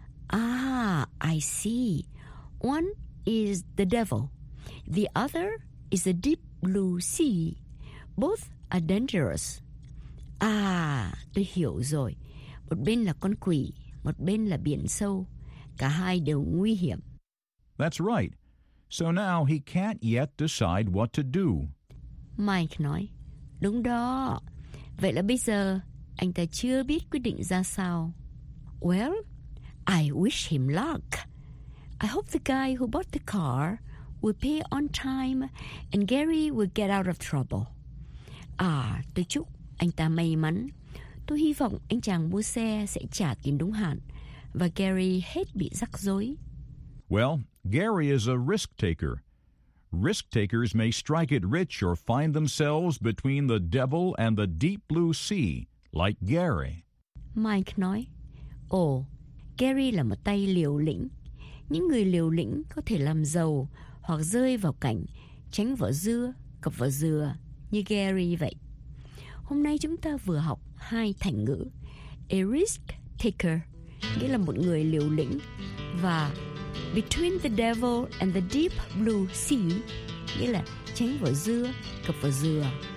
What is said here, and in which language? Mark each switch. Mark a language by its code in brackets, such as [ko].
[en] Ah, I see. One is the devil. The other is the deep blue sea. Both are dangerous. [vi] À, tôi hiểu rồi. Một bên là con quỷ, một bên là biển sâu. Cả hai đều nguy hiểm. [en] That's right. So now he can't yet decide what to do. [vi] Mike nói, đúng đó. Vậy là bây giờ anh ta chưa biết quyết định ra sao. [en] Well, I wish him luck. I hope the guy who bought the car will pay on time and Gary will get out of trouble. [vi] À, tôi chúc anh ta may mắn. Tôi hy vọng anh chàng mua xe sẽ trả tiền đúng hạn và Gary hết bị rắc rối. [en] Well, Gary is a risk taker. Risk takers may strike it rich or find themselves between the devil and the deep blue sea, like Gary. [vi] Mike nói, ồ, Gary là một tay liều lĩnh. Những người liều lĩnh có thể làm giàu hoặc rơi vào cảnh tránh vỏ dưa, cập vỏ dừa như Gary vậy. Hôm nay chúng ta vừa học hai thành ngữ. [en] A risk taker, [vi] nghĩa là một người liều lĩnh, và [en] between the devil and the deep blue sea, [vi] nghĩa là tránh vỏ dưa, cập vỏ dừa.